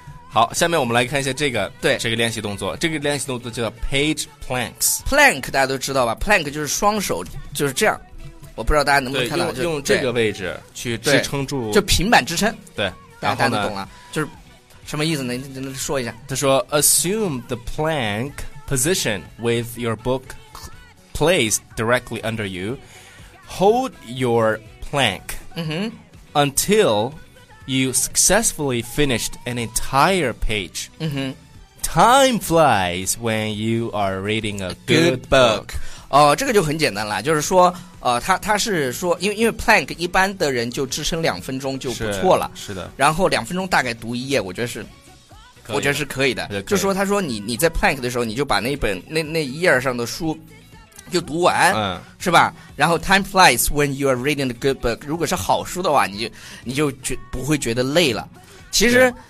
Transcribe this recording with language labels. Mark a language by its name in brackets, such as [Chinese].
[Chinese] 好，下面我们来看一下这个，对，这个练习动作，这个练习动作叫 page planks。 plank 大家都知道吧 ？plank 就是双手就是这样，我不知道大家能不能看到，对，用这个位置去支撑住，就平板支撑。对，大家都懂了，就是什么意思呢？你说一下。他说 [English] ，assume the plank position with your book placed directly under you. Hold your plank、 mm-hmm. until. You successfully finished an entire page.、 Mm-hmm. Time flies when you are reading a good book. [Chinese] 这个就很简单了，就是说，他是说，因为 plank 一般的人就支撑2分钟就不错了，是的。然后2分钟大概读一页，我觉得是可以的。就说他说你在 plank 的时候，你就把那一页上的书。就读完、是吧，然后 [English] time flies when you are reading a good book， [Chinese] 如果是好书的话，你就不会觉得累了。其实